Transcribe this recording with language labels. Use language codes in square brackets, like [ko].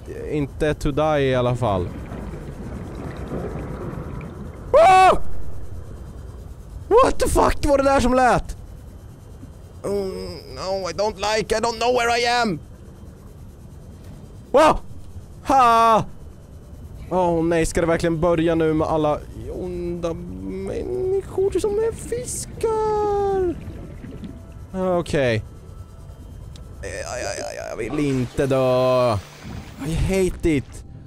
[sv] Inte [en] to die [sv] i alla fall. Oh! [en] What the fuck [sv] var det där som lät? [en] Oh, no, I don't know where I am. Wow. Ha. [sv] Oh nej, ska det verkligen börja nu med alla onda människor som är fiskar? Okej. Okay. Jag vill inte dö. [en] I hate it.